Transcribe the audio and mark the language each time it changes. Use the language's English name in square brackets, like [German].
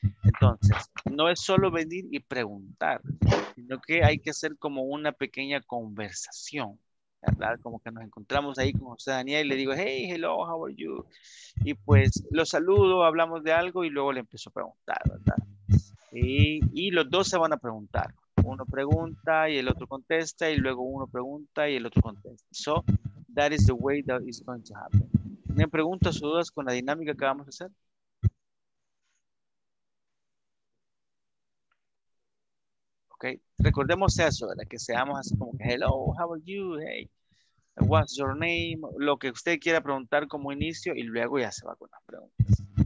[Spanish] Entonces, no es solo venir y preguntar, sino que hay que hacer como una pequeña conversación, ¿verdad? Como que nos encontramos ahí con José Daniel y le digo, [English] hey, hello, how are you? [Spanish] Y pues lo saludo, hablamos de algo y luego le empiezo a preguntar, ¿verdad? Y los dos se van a preguntar. Uno pregunta y el otro contesta y luego uno pregunta y el otro contesta. [English] So, that is the way that is going to happen. [Spanish] ¿Tienen preguntas o dudas con la dinámica que vamos a hacer? Okay. Recordemos eso, ¿verdad? Que seamos así como que, [English] hello, how are you? Hey, what's your name? [Spanish] Lo que usted quiera preguntar como inicio y luego ya se va con las preguntas.